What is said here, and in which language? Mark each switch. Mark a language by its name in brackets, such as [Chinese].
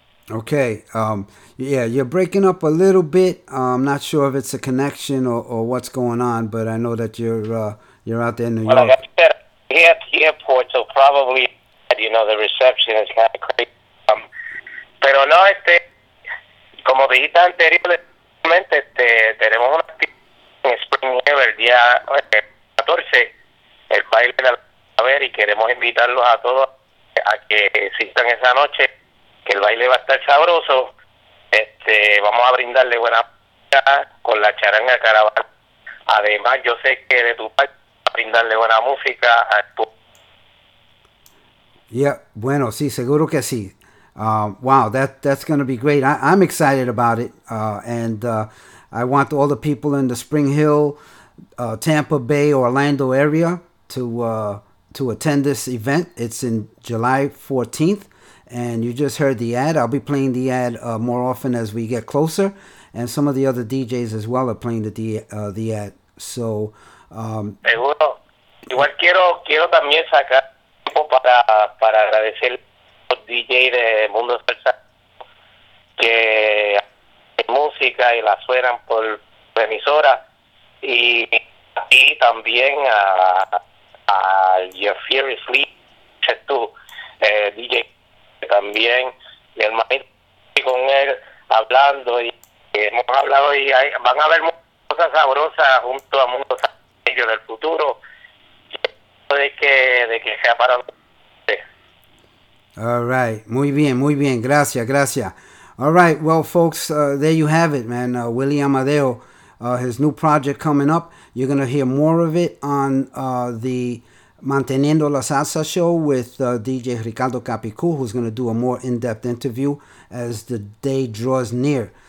[English] Okay, yeah, you're breaking up a little bit. I'm not sure if it's a connection or what's going on, but I know that you're out there in New York. Well, I got to get at the airport, so probably, you know, the reception is kind of crazy. [Spanish] Pero no, como dijiste anteriormente, tenemos una actividad en Spring Hill el día 14, el baile de la ver, y queremos invitarlos a todos a que existan esa noche. Que el baile va a estar sabroso. Vamos a brindarle buena música con la charanga caravana. Además, yo sé que de tu parte, brindarle buena música a tu. [English] Yeah, [Spanish] bueno, sí, seguro que sí. [English] Wow, that's going to be great. I'm excited about it. I want all the people in the Spring Hill, Tampa Bay, Orlando area to attend this event. It's in July 14th. And you just heard the ad. I'll be playing the ad more often as we get closer. And some of the other DJs as well are playing the ad. So, [Spanish] seguro. Igual quiero también sacar tiempo para agradecer a los DJs de Mundo Salsa que hacen música y la suenan por la emisora. Y aquí también a Your Fury Sleep, que es tu DJ. También mi hermanito con él hablando y hemos hablado y van a haber muchas cosas sabrosas junto a Mundo Salsa. ellos del futuro, de que sea para ustedes. [English] All right, [Spanish] muy bien, muy bien, gracias. [English] All right, well, folks, there you have it, man. Willie Amadeo, his new project coming up. You're going to hear more of it on the Manteniendo la Salsa show with DJ Ricardo Capicu, who's going to do a more in-depth interview as the day draws near.